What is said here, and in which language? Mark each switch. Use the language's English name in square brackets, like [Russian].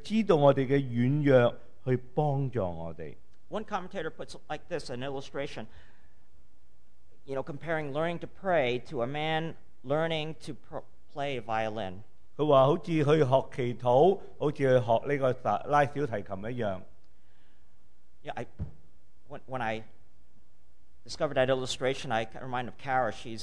[Chinese] 但在这个第26节，他说，他知道我们的软弱，去帮助我们。 [English] One commentator puts it like this, an illustration, you know, comparing learning to pray to a man learning to play violin. [Chinese] 他说好像去学祈祷，好像去学这个拉小提琴一样。 [English] Yeah, when I discovered that illustration, I can remind of Kara.